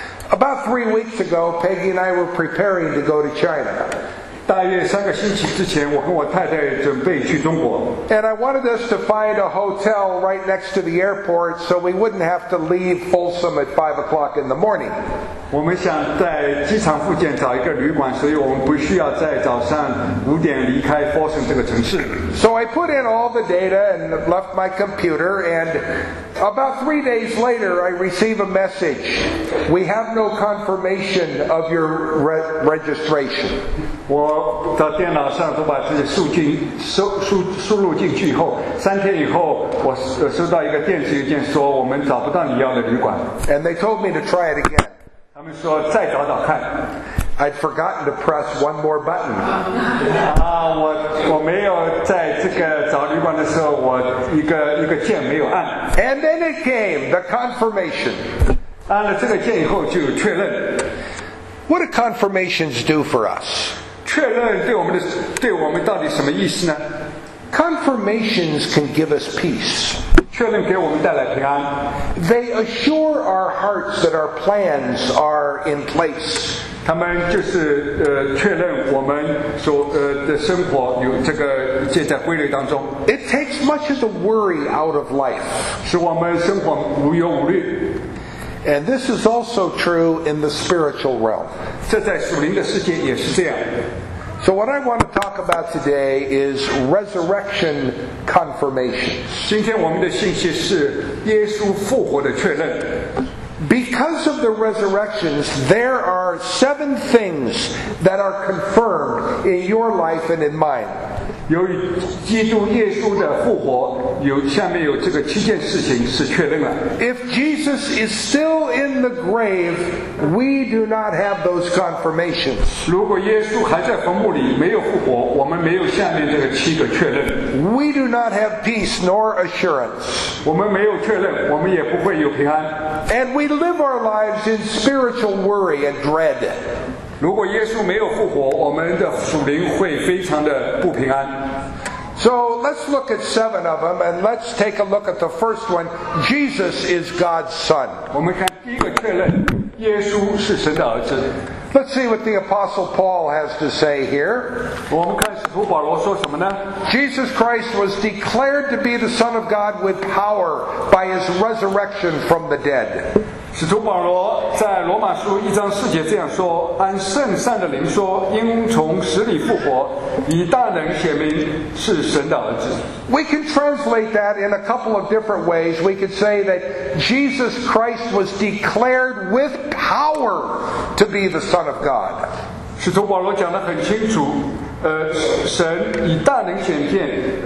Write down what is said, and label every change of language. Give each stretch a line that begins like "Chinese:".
English: About 3 weeks ago, Peggy and I were preparing to go to China.
Chinese: 大约三个星期之前，我跟我太太准备去中国。
English: And I wanted us to find a hotel right next to the airport so we wouldn't have to leave Folsom at 5 o'clock in the morning.
Chinese: 我们想在机场附近找一个旅馆，所以我们不需要在早上五点离开 Folsom 这个城市。
English: So I put in all the data and left my computer and. About 3 days later, I receive a message. We have no confirmation of your registration.
Chinese: 我到电脑上都把这些数据输入进去以后，三天以后，我收到一个电子邮件说我们找不到你要的旅馆。
English: And they told me to try it again.
Chinese: 他们说再找找看。
English: I'd forgotten to press one more button.
Chinese: 啊，我没有在这个找旅馆的时候，我一个键没有按。
English: And then it came, the confirmation.
Chinese: 按了这个键以后就确认。
English: What do confirmations do for us?
Chinese: 确认对我们到底什么意思呢？
English: Confirmations can give us peace.
Chinese: 确认给我们带来平安。
English: They assure our hearts that our plans are in place.
Chinese: 他们就是确认我们所的生活有这个现在规律当中。
English: It takes much of the worry out of life.
Chinese: 使我们生活无忧无虑。
English: And this is also true in the spiritual realm.
Chinese: 这在属灵的世界也是这样。
English: So what I want to talk about today is resurrection confirmations.
Chinese: 今天我们的信息是耶稣复活的确认。
English: Because of the resurrections, there are 7 things that are confirmed in your life and in mine.
Chinese: 由于基督耶稣的复活，下面有这个七件事情是确认了。
English: If Jesus is still in the grave, we do not have those confirmations.
Chinese: 如果耶稣还在坟墓里没有复活，我们没有下面这个七个确认。
English: We do not have peace nor assurance.
Chinese: 我们没有确认，我们也不会有平安。
English: And we live our lives in spiritual worry and dread.
Chinese: 如果耶稣没有复活，我们的属灵会非常的不平安。
English: So let's look at 7 of them, and let's take a look at the first one. Jesus is God's Son.
Chinese: 我们看第一个确认，耶稣是神的儿子。
English: Let's see what the Apostle Paul has to say here.
Chinese: 我们看使徒保罗说什么呢？
English: Jesus Christ was declared to be the Son of God with power by his resurrection from the dead.
Chinese: 使徒保罗在罗马书一章四节这样说，按圣善的灵说，因从死里复活，以大能显明是神的儿子。
English: We can translate that in a couple of different ways. We could say that Jesus Christ was declared with power to be the Son of God.
Chinese: 使徒保罗讲得很清楚，神以大能显现，